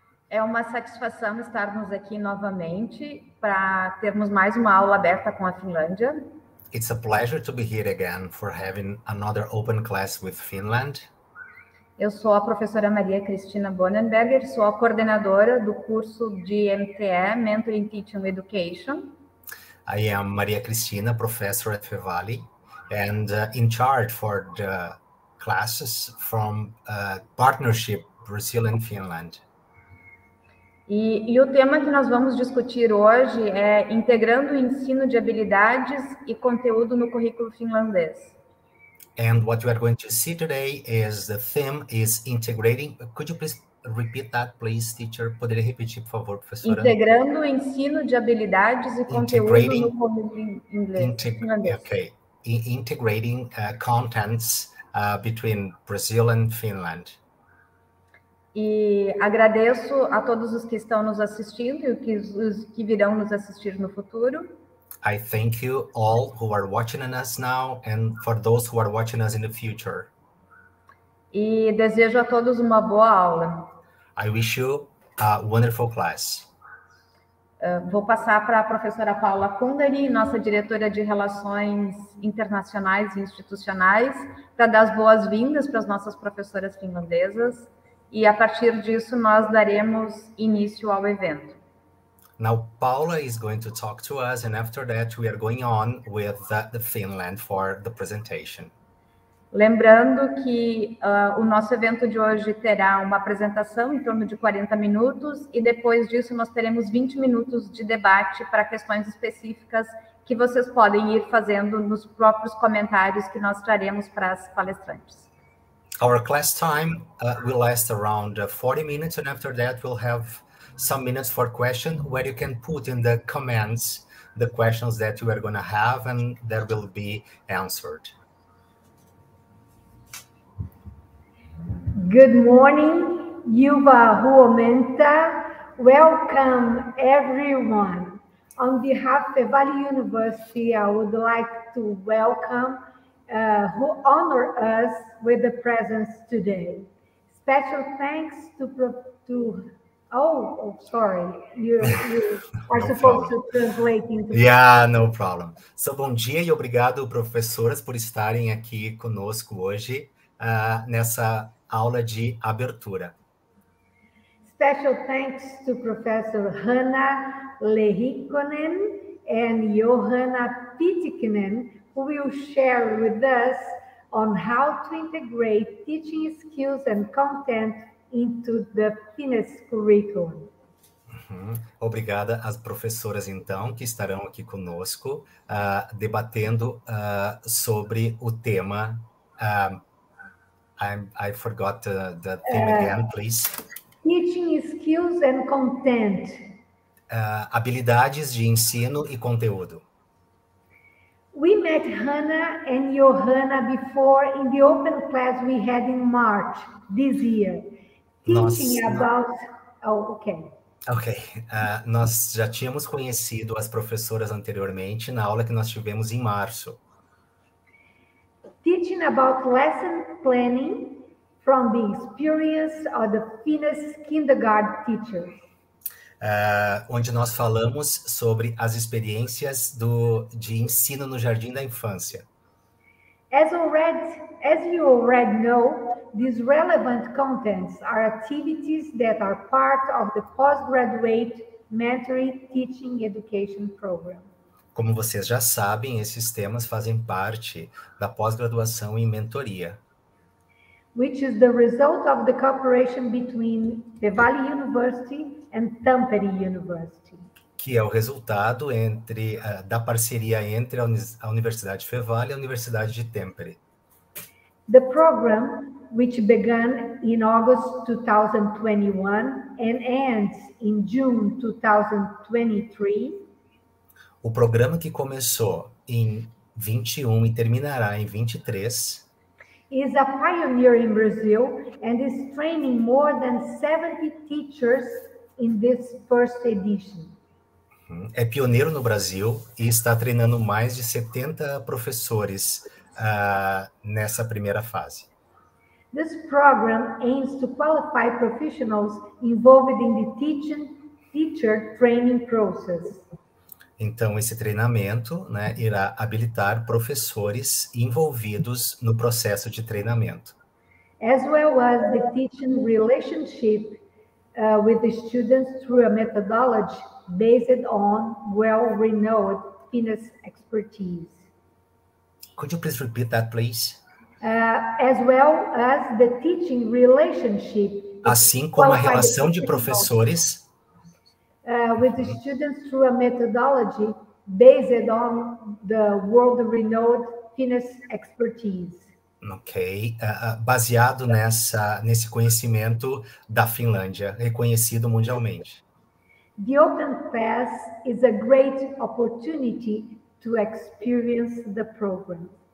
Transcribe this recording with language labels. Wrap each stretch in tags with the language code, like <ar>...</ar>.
<pt>É uma satisfação estarmos aqui novamente para termos mais uma aula aberta com a Finlândia.</pt> <en>It's a pleasure to be here again for having another open class with Finland.</en> <pt>Eu sou a professora Maria Cristina Bonenberger, sou a coordenadora do curso de MTE, Mentoring Teaching Education.</pt> <en>I am Maria Cristina, professor at Fevali, and in charge for the classes from partnership Brazil and Finland.</en> <pt>E o tema que nós vamos discutir hoje é integrando o ensino de habilidades e conteúdo no currículo finlandês.</pt> <en>And what you are going to see today is the theme is integrating. Could you please repeat that, please, teacher?</en> <pt>Poderia repetir, por favor, professora? Integrando o ensino de habilidades e conteúdo no</pt> <en>Integrating.</en> <pt>finlandês.</pt> <en>Okay. Integrating contents between Brazil and Finland.</en> <pt>E agradeço a todos os que estão nos assistindo e os que virão nos assistir no futuro.</pt> <en>I thank you all who are watching us now and for those who are watching us in the future.</en> <pt>E desejo a todos uma boa aula.</pt> <en>I wish you a wonderful class.</en> <pt>Vou passar para a professora Paula Kundari, nossa diretora de Relações Internacionais e Institucionais, para dar as boas-vindas para as nossas professoras finlandesas. E a partir disso, nós daremos início ao evento.</pt> <en>Now, Paula is going to talk to us, and after that, we are going on with the Finland for the presentation.</en> <pt>Lembrando que o nosso evento de hoje terá uma apresentação em torno de 40 minutos, e depois disso, nós teremos 20 minutos de debate para questões específicas que vocês podem ir fazendo nos próprios comentários que nós traremos para as palestrantes.</pt> <en>Our class time will last around 40 minutes, and after that, we'll have some minutes for questions where you can put in the comments the questions that you are going to have and that will be answered. Good morning,</en> <fi>Yuva Huomenta.</fi> <en>Welcome, everyone. On behalf of Fevali University, I would like to welcome who honor us with the presence today. Special thanks no problem.</en> <pt>So, bom dia e obrigado, professoras, por estarem aqui conosco hoje nessa aula de abertura.</pt> <en>Special thanks to Professor Hanna Lehikoinen and Johanna Pitkänen, who will share with us on how to integrate teaching skills and content into the Finnish curriculum.</en> <pt>Obrigada às professoras, então, que estarão aqui conosco, debatendo sobre o tema.</pt> <en>I forgot the theme again, please. Teaching skills and content.</en> <pt>Habilidades de ensino e conteúdo.</pt> <en>We met Hannah and Johanna before in the open class we had in March this year, thinking about. Oh, okay. Okay.</en> <pt>Nós já tínhamos conhecido as professoras anteriormente na aula que nós tivemos em março.</pt> <en>Teaching about lesson planning from the experience of the Finnish kindergarten teachers.</en> <pt>Onde nós falamos sobre as experiências de ensino no jardim da infância.</pt> <en>As you already know, these relevant contents are activities that are part of the postgraduate mentoring teaching education program.</en> <pt>Como vocês já sabem, esses temas fazem parte da pós-graduação em mentoria.</pt> <en>Which is the result of the cooperation between Fevali University and Tampere University.</en> <pt>Que é o resultado entre da parceria entre a Universidade Fevali e a Universidade de Tampere.</pt> <en>The program, which began in August 2021 and ends in June 2023.</en> <pt>O programa que começou em 21 e terminará em 23.</pt> <en>Is a pioneer in Brazil and is training more than 70 teachers in this first edition.</en> <pt>É pioneiro no Brasil e está treinando mais de 70 professores nessa primeira fase.</pt> <en>This program aims to qualify professionals involved in the teacher training process.</en> <pt>Então, esse treinamento, né, irá habilitar professores envolvidos no processo de treinamento.</pt> <en>As well as the teaching relationship with the students through a methodology based on well-renowned fitness expertise. Could you please repeat that, please? As well as the teaching relationship.</en> <pt>Assim como a relação de professores.</pt> <en>With the students through a methodology based on the world-renowned fitness expertise.</en> <pt>Ok, baseado nesse conhecimento da Finlândia, reconhecido mundialmente.</pt> <en>The Open Pass is a great opportunity to experience the program.</en>